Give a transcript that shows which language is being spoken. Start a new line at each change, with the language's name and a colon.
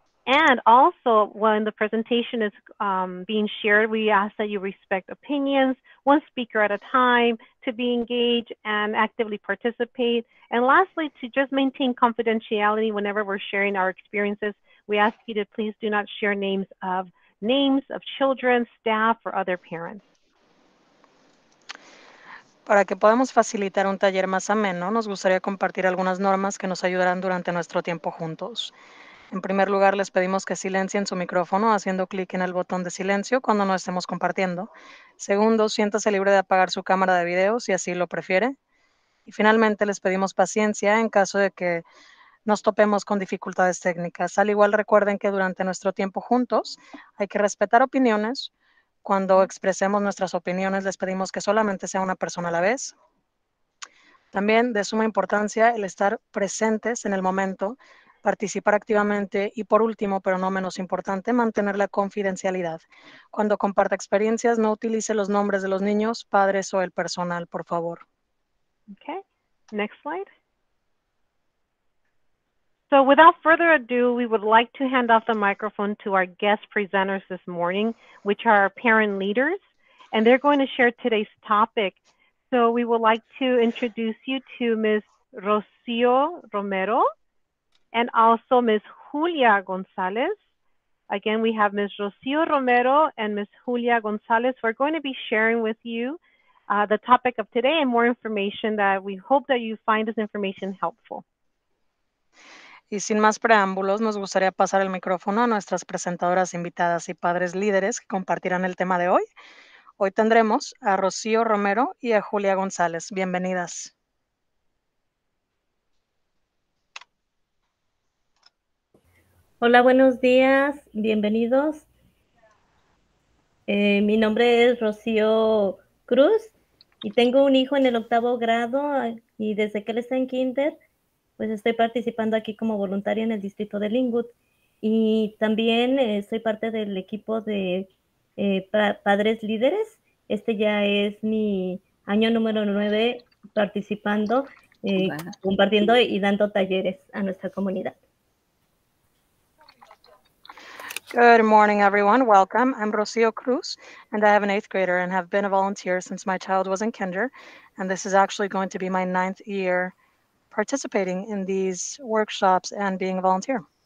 English: And also, when the presentation is being shared, we ask that you respect opinions, one speaker at a time, to be engaged and actively participate. And lastly, to just maintain confidentiality whenever we're sharing our experiences, we ask you to please do not share names of children, staff, or other parents.
Spanish: Para que podamos facilitar un taller más ameno, nos gustaría compartir algunas normas que nos ayudarán durante nuestro tiempo juntos. En primer lugar, les pedimos que silencien su micrófono haciendo clic en el botón de silencio cuando no estemos compartiendo. Segundo, siéntase libre de apagar su cámara de video si así lo prefiere. Y finalmente, les pedimos paciencia en caso de que nos topemos con dificultades técnicas. Al igual, recuerden que durante nuestro tiempo juntos hay que respetar opiniones. Cuando expresemos nuestras opiniones, les pedimos que solamente sea una persona a la vez. También de suma importancia el estar presentes en el momento, participar activamente y, por último, pero no menos importante, mantener la confidencialidad. Cuando comparta experiencias, no utilice los nombres de los niños, padres o el personal, por favor.
English: Okay, next slide. So without further ado, we would like to hand off the microphone to our guest presenters this morning, which are our parent leaders, and they're going to share today's topic. So we would like to introduce you to Ms. Rocío Romero, and also Ms. Julia Gonzalez. Again, we have Ms. Rocío Romero and Ms. Julia Gonzalez. We're going to be sharing with you the topic of today and more information that we hope that you find this information helpful.
Spanish: Y sin más preámbulos, nos gustaría pasar el micrófono a nuestras presentadoras invitadas y padres líderes que compartirán el tema de hoy. Hoy tendremos a Rocío Romero y a Julia González. Bienvenidas. Hola, buenos días, bienvenidos. Mi nombre es Rocío Cruz y tengo un hijo en el octavo grado y desde que él está en kinder, pues estoy participando aquí como voluntaria en el distrito de Lynwood y también soy parte del equipo de padres líderes. Este ya es mi año número 9 participando, compartiendo y dando talleres a nuestra comunidad.
English: Good morning, everyone. Welcome. I'm Rocío Cruz, and I have an eighth grader and have been a volunteer since my child was in kinder. And this is actually going to be my ninth year participating in these workshops and being a volunteer.